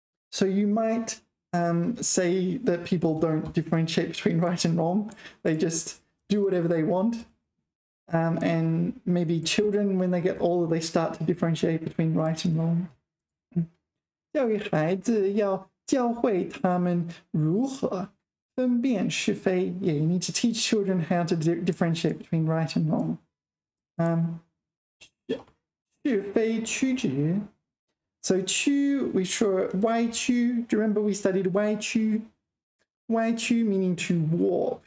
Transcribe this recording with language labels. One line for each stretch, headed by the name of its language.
English: So you might. Say that people don't differentiate between right and wrong. They just do whatever they want. And maybe children, when they get older, they start to differentiate between right and wrong.
Chinese: 教育孩子要教会他们如何分辨是非.
English: Yeah, you need to teach children how to differentiate between right and wrong.
Chinese: 是非曲直.
English: So chu, we sure why chu. Do you remember we studied why chu? Why chu meaning to warp.